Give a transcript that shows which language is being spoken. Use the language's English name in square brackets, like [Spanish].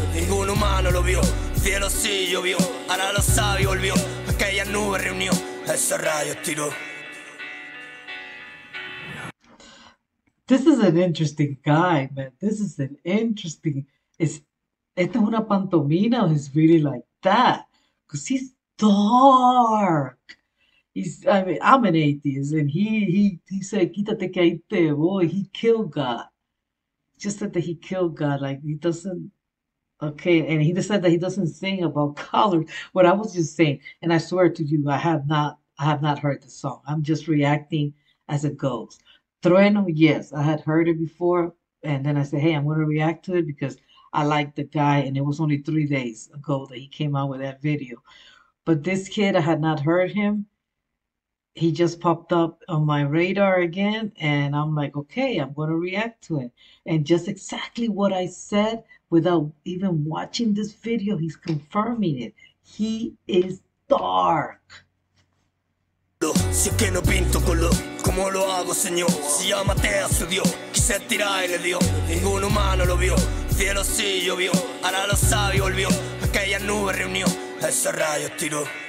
[Spanish] Ningún humano lo vio, cielo sí llovió. Ahora lo sabe y volvió, aquella nube reunió. Ese rayo tiró. [English] This is an interesting guy, man. This is an interesting... [Spanish] Esta es una pantomima, [English] he's really like that. Because he's dark. I'm an atheist. And he said, [Spanish] quítate que ahí te voy. [English] He killed God. Just said that he killed God. Like, he doesn't... Okay, and he just said that he doesn't sing about color. What I was just saying, and I swear to you, I have not heard the song. I'm just reacting as it goes. Trueno, yes, I had heard it before. And then I said, hey, I'm going to react to it because... I like the guy, and it was only 3 days ago that he came out with that video. But this kid, I had not heard him. He just popped up on my radar again, and I'm like, okay, I'm going to react to it. And just exactly what I said without even watching this video, he's confirming it. He is dark. [Spanish] Si es que no pinto color, ¿cómo lo hago, señor? Si ya maté a su Dios, quise tirar y le dio. Ningún humano lo vio, cielo sí llovió. Ahora lo sabe y volvió, aquella nube reunió. Ese rayo tiró.